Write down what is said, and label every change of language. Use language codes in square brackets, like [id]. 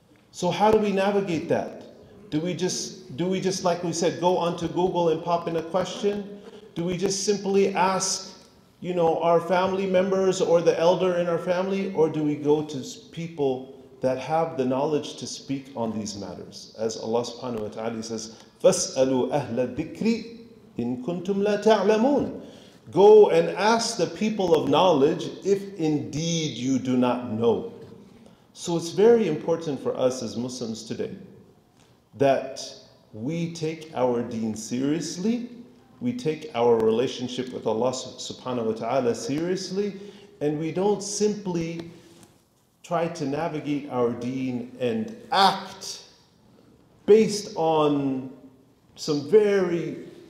[en] So how do we navigate that? Do we just, like we said, go onto Google and pop in a question? Do we just simply ask, you know, our family members or the elder in our family? Or do we go to people that have the knowledge to speak on these matters? [ar] As Allah subhanahu wa ta'ala says, فَاسْأَلُوا أَهْلَ الذِّكْرِ إِن كُنْتُمْ لَا تَعْلَمُونَ. [en] Go and ask the people of knowledge if indeed you do not know. So it's very important for us as Muslims today that we take our deen seriously, we take our relationship with Allah subhanahu wa ta'ala seriously, and we don't simply try to navigate our deen and act based on some very